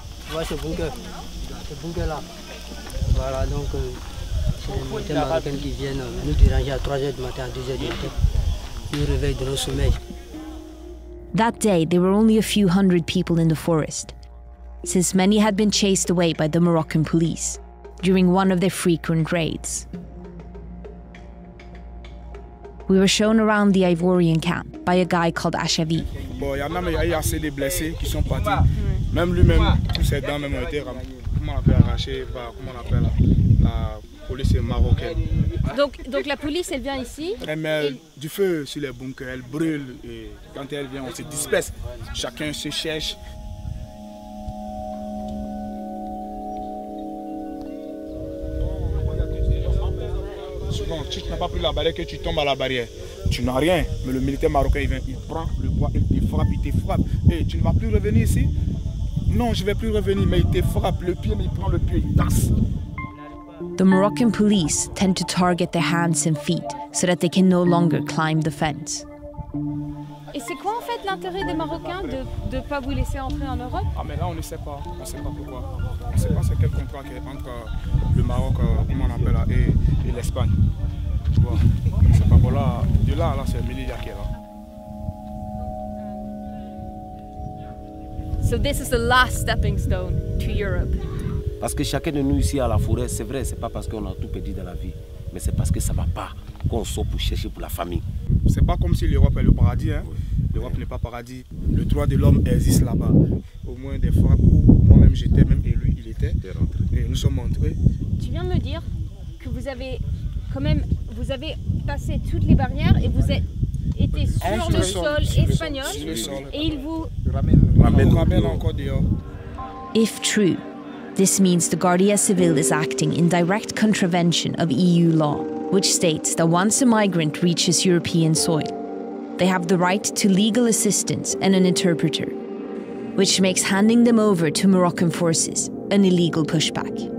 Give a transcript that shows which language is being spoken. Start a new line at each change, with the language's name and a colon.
French: Voilà ce bunker. Ce bunker là. Voilà donc c'est les Marocains qui viennent nous déranger à 3h du matin, à 2h du matin. Nous réveillent de nos sommeils.
English: That day, there were only a few hundred people in the forest, since many had been chased away by the Moroccan police during one of their frequent raids. We were shown around the Ivorian camp by a guy called Achavi.
French: Bon, il y en a, mais il y a assez de blessés qui sont partis. Même lui-même, tous ses dents même ont été ramenées. Comment on l'appelle, arraché par, comment on l'appelle, la police est marocaine. Donc la police, elle vient ici? Elle met du feu sur les bunkers, elle brûle, et quand elle vient, on se disperse. Chacun se cherche. Bon, si tu n'as pas pris la barrière, que tu tombes à la barrière, tu n'as rien. Mais le militaire marocain, il vient, il prend le bois, il te frappe. Et tu ne vas plus revenir ici? Non, je ne vais plus revenir, mais il te frappe le pied, mais il prend le pied, il tasse.
English: The Moroccan police tend to target their hands and feet so that they can no longer climb the fence.
French: Et c'est quoi en fait l'intérêt des Marocains de ne pas vous laisser entrer en Europe? Ah, mais là on ne sait pas. On ne sait pas pourquoi. On ne sait pas c'est quel contrat qui est entre le Maroc, comment on appelle là, et l'Espagne. Tu vois, c'est pas bon là. De là, là c'est Melilla qui est là.
English: So this is the last stepping stone to Europe.
French: Parce que chacun de nous ici à la forêt, c'est vrai, c'est pas parce qu'on a tout perdu dans la vie, mais c'est parce que ça va pas qu'on sort pour chercher pour la famille. C'est pas comme si l'Europe est le paradis, hein. L'Europe n'est pas paradis. Le droit de l'homme existe là-bas. Au moins des fois où moi-même j'étais, même et lui il était. Et nous sommes entrés. Tu viens de me dire que vous avez quand même, vous avez passé toutes les barrières et vous êtes été sur le sol espagnol et il vous ramène encore dehors.
English: If true. This means the Guardia Civil is acting in direct contravention of EU law, which states that once a migrant reaches European soil, they have the right to legal assistance and an interpreter, which makes handing them over to Moroccan forces an illegal pushback.